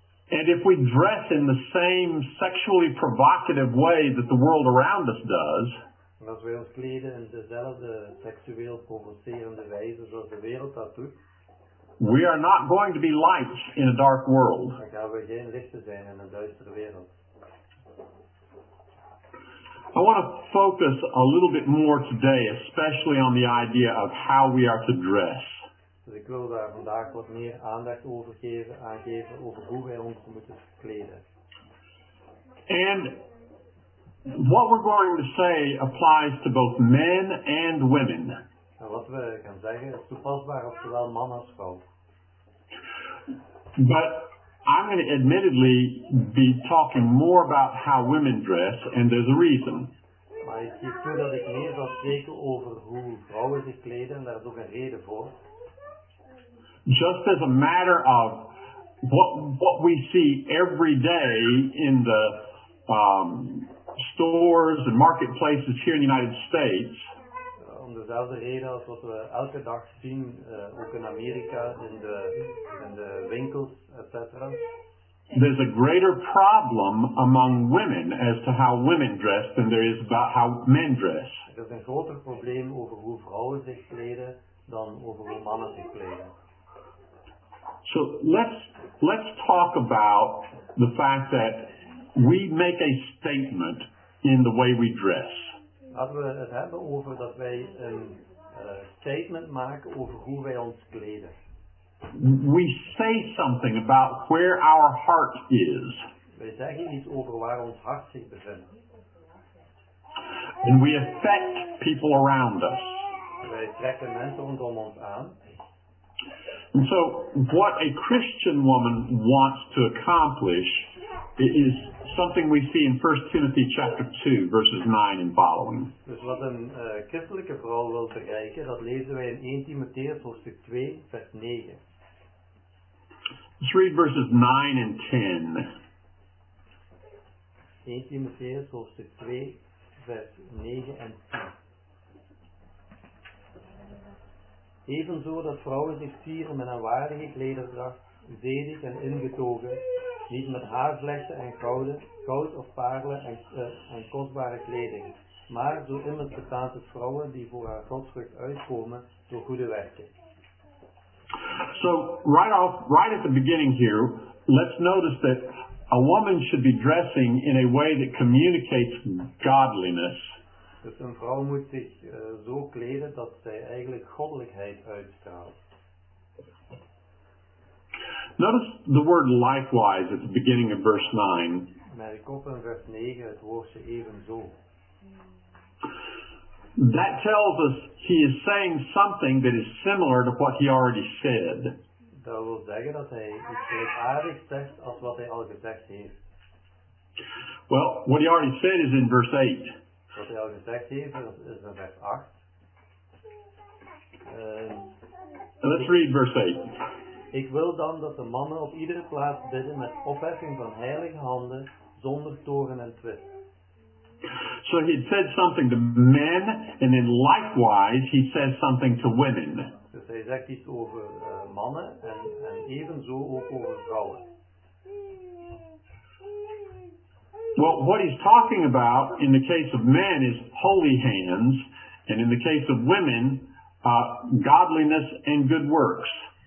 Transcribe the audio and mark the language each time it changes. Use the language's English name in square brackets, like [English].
[English] and if we dress in the same sexually provocative way that the world around us does, [Dutch] en als wij ons kleden in dezelfde seksueel provocerende wijze zoals de wereld dat doet, [English] we are not going to be light in a dark world. [Dutch] Dan gaan we geen lichten zijn in een duistere wereld. [English] I want to focus a little bit more today, especially on the idea of how we are to dress. [Dutch] Dus ik wil daar vandaag wat meer aandacht over geven, aangeven over hoe wij ons moeten kleden. [English] And what we're going to say applies to both men and women. [Dutch] En wat we gaan zeggen is toepasbaar op zowel man als vrouw. [English] But I'm going to admittedly be talking more about how women dress, and there's a reason. [Dutch] Maar ik geef toe dat ik meer zal spreken over hoe vrouwen zich kleden, en daar is ook een reden voor. [English] Just as a matter of what we see every day in the stores and marketplaces here in the United States. [Dutch] Om dezelfde reden als wat we elke dag zien, ook in Amerika, in de winkels, etc. [English] There's a greater problem among women as to how women dress than there is about how men dress. [Dutch] Er is een groter probleem over hoe vrouwen zich kleden dan over hoe mannen zich kleden. [English] So let's talk about the fact that we make a statement in the way we dress. [Dutch] Laten we het hebben over dat wij een statement maken over hoe wij ons kleden. [English] We say something about where our heart is. [Dutch] Wij zeggen iets over waar ons hart zich bevindt. [English] And we affect people around us. [Dutch] Wij trekken mensen rondom ons aan. [English] And so what a Christian woman wants to accomplish is something we see in 1 Timothy chapter 2, verses 9 and following. [Dutch] Dus wat een christelijke vrouw wil bereiken, dat lezen wij in 1 Timotheus hoofdstuk 2, vers 9. [English] Let's read verses 9 and 10. [Dutch] 1 Timotheus hoofdstuk 2, vers 9 en 10. Evenzo dat vrouwen zich sieren met een waardige klederdracht, zedig en ingetogen, niet met haarvlechten en gouden, goud of parelen en kostbare kleding, maar zo immers betaamt het vrouwen die voor haar godsvrucht uitkomen door goede werken. [English] So, right at the beginning here, let's notice that a woman should be dressing in a way that communicates godliness. [Dutch] Dus een vrouw moet zich zo kleden dat zij eigenlijk goddelijkheid uitstraalt. [English] Notice the word likewise at the beginning of verse 9. [Dutch] Merk op in vers 9 het woordje evenzo. [English] That tells us he is saying something that is similar to what he already said. [Dutch] Dat wil zeggen dat hij iets gelijkaardig zegt als wat hij al gezegd heeft. [English] Well, what he already said is in verse 8. [Dutch] Wat hij al gezegd heeft, is in vers 8. [English] Let's read verse 8. [Dutch] Ik wil dan dat de mannen op iedere plaats bidden met opheffing van heilige handen, zonder toren en twist. [English] So he said something to men, and then likewise he says something to women. [Dutch] Dus hij zegt iets over mannen en evenzo ook over vrouwen. [English] Well, what he's talking about in the case of men is holy hands, and in the case of women, godliness and good works.